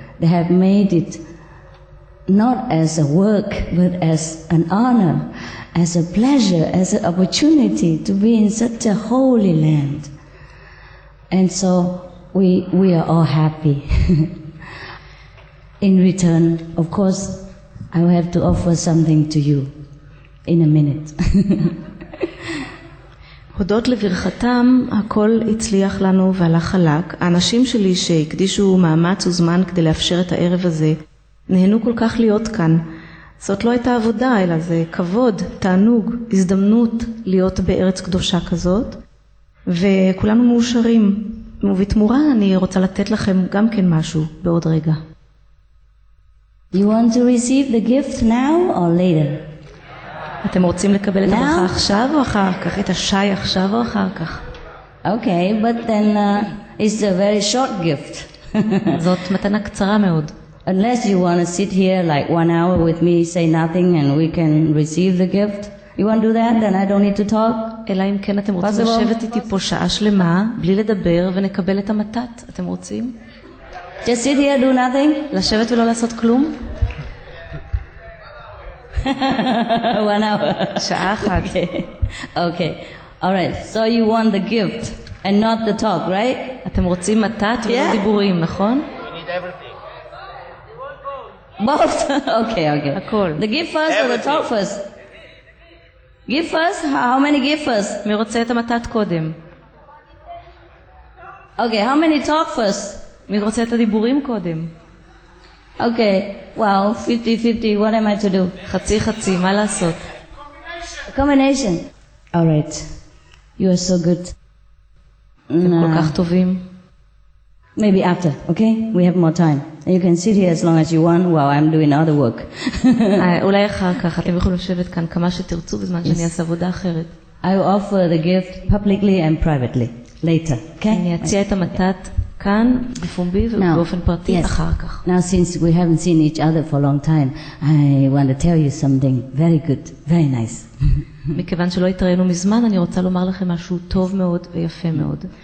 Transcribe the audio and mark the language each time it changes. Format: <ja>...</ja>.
<en>They have made it not as a work, but as an honor, as a pleasure, as an opportunity to be in such a holy land. And so we are all happy. In return, of course, I will have to offer something to you in a minute.</en> <he>הודות לברכתם, הכל הצליח לנו והלך חלק. האנשים שלי שהקדישו מאמץ וזמן כדי לאפשר את הערב הזה, נהנו כל כך להיות כאן. זאת לא הייתה עבודה, אלא זה כבוד, תענוג, הזדמנות להיות בארץ קדושה כזאת. וכולנו מאושרים. ובתמורה אני רוצה לתת לכם גם כן משהו בעוד רגע.</he> <en>You want to receive the gift now or later?</en> <he>אתם רוצים לקבל את הברכה עכשיו או אחר כך? את השי עכשיו או אחר כך?</he> <en>Okay, but then it's a very short gift.</en> <he>זאת מתנה קצרה מאוד.</he> <en>Unless you want to sit here like 1 hour with me, say nothing, and we can receive the gift. You want to do that? Then I don't need to talk.</en> <he>אלא אם כן אתם רוצים לשבת איתי פה שעה שלמה, בלי לדבר, ונקבל את המתת. אתם רוצים?</he> <en>Just sit here, do nothing.</en> <he>לשבת ולא לעשות כלום?</he> <en>One hour.</en> <he>שעה אחת.</he> <en>Okay. All right. So you want the gift and not the talk, right?</en> <he>אתם רוצים מתת ולא דיבורים, נכון?</he> <en>We need everything. Both? Okay, okay.</en> <he>הכל.</he> <en>The gift first or the talk first? Gift first? How many gift first?</en> <he>מי רוצה את המתת קודם?</he> <en>Okay, how many talk first?</en> <he>מי רוצה את הדיבורים קודם?</he> <en>Okay, well, 50-50, what am I to do?</en> <he>חצי-חצי, מה לעשות?</he> <en>Combination. All right, you are so good.</en> <he>אתם כל כך טובים.</he> <en>Maybe after, okay? We have more time. You can sit here as long as you want while I'm doing other work.</en> <he>אולי אחר כך, אתם יכולים לשבת כאן כמה שתרצו בזמן שאני אעשה עבודה אחרת.</he> <en>I will offer the gift publicly and privately, later, okay?</en> <he>אני אציע את המתת. כאן, בפומבי ובאופן פרטי, אחר כך.</he> <en>Now, since we haven't seen each other for a long time, I want to tell you something very good, very nice.</en> <he>מכיוון שלא התראינו מזמן, אני רוצה לומר לכם משהו טוב מאוד ויפה מאוד.</he>